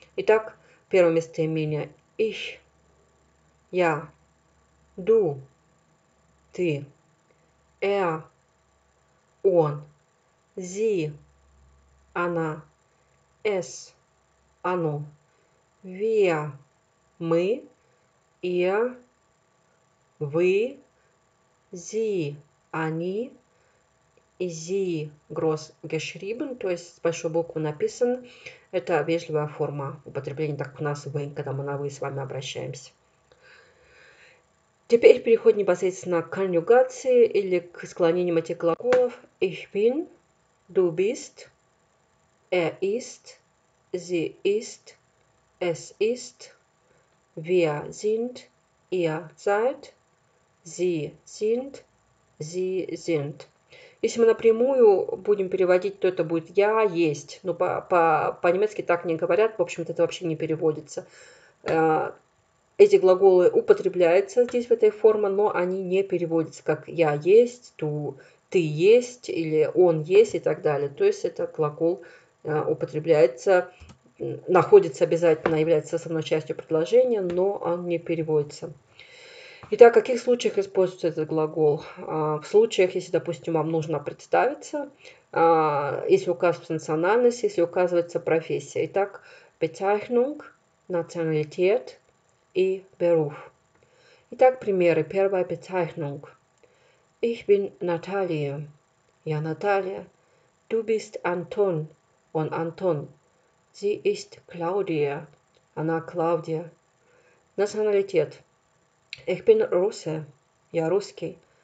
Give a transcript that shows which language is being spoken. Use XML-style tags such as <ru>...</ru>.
<ru>Итак, первое местоимение ich, я, du, ты, он, sie, она, es, оно, wir, мы, ihr, вы, sie, они,</ru> <de>sie groß geschrieben,</de> <ru>то есть с большой буквы написан. Это вежливая форма употребления, так как у нас вы, когда мы на вы с вами обращаемся. Теперь переходим непосредственно к конъюгации или к склонениям этих глаголов.</ru> <de>Ich bin, du bist, ist, sie ist, es ist, wir sind, ihr seid, sie sind, sie sind.</de> <ru>Если мы напрямую будем переводить, то это будет «я есть». Но по-немецки так не говорят, в общем-то, это вообще не переводится. Эти глаголы употребляются здесь в этой форме, но они не переводятся как «я есть», «ту», «ты есть» или «он есть» и так далее. То есть этот глагол употребляется, находится обязательно, является основной частью предложения, но он не переводится. Итак, в каких случаях используется этот глагол? В случаях, если, допустим, вам нужно представиться, если указывается национальность, если указывается профессия. Итак, Bezeichnung, Nationalität и Beruf. Итак, примеры. Первая Bezeichnung.</ru> <de>Ich bin Natalia.</de> <ru>Я Наталья.</ru> <de>Du bist Anton.</de> <ru>Он Антон.</ru> <de>Sie ist Claudia.</de> <ru>Она Клаудия. Национальность.</ru> <de>Ich bin Russe.</de> <ru>Я русский.</ru>